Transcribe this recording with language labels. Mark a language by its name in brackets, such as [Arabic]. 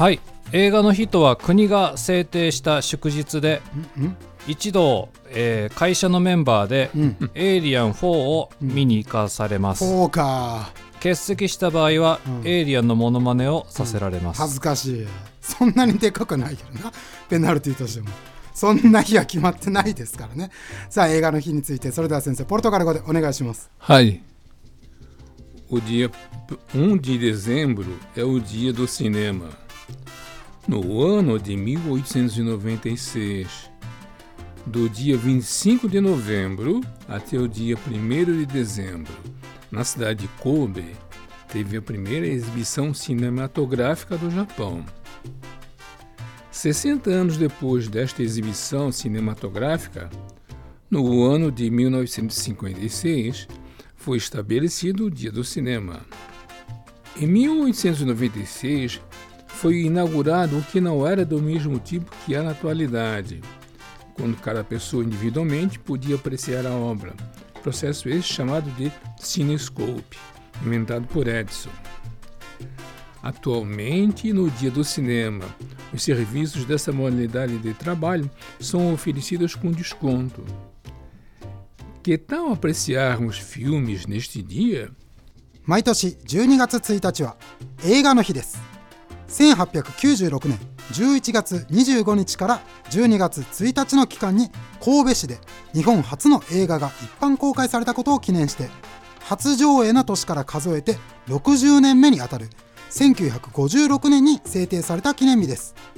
[Japanese] はい、映画の日とは国が制定した祝日で、一度、会社のメンバーで、エイリアン4を見に行かされます。 4か。欠席した場合は、エイリアンのモノマネをさせられます。恥ずかしい。そんなにでかくないけどな、ペナルティとしても。そんな日は決まってないですからね。さあ映画の日について、それでは先生ポルトガル語でお願いします。 [Portuguese] はい、お dia 1 de dezembro é o dia do cinema。 No ano de 1896, do dia 25 de novembro até o dia 1º de dezembro, na cidade de Kobe, teve a primeira exibição cinematográfica do Japão. 60 anos depois desta exibição cinematográfica, no ano de 1956, foi estabelecido o Dia do Cinema. Em 1896, foi inaugurado o que não era do mesmo tipo que é na atualidade, quando cada pessoa individualmente podia apreciar a obra, processo esse chamado de Cinescope, inventado por Edison. Atualmente, no Dia do Cinema, os serviços dessa modalidade de trabalho são oferecidos com desconto. Que tal apreciarmos filmes neste dia? [Japanese] 毎年12月1日は映画の日です。1896年11月25日から12月1日の期間に神戸市で日本初の映画が一般公開されたことを記念して、初上映の年から数えて60年目にあたる1956年に制定された記念日です。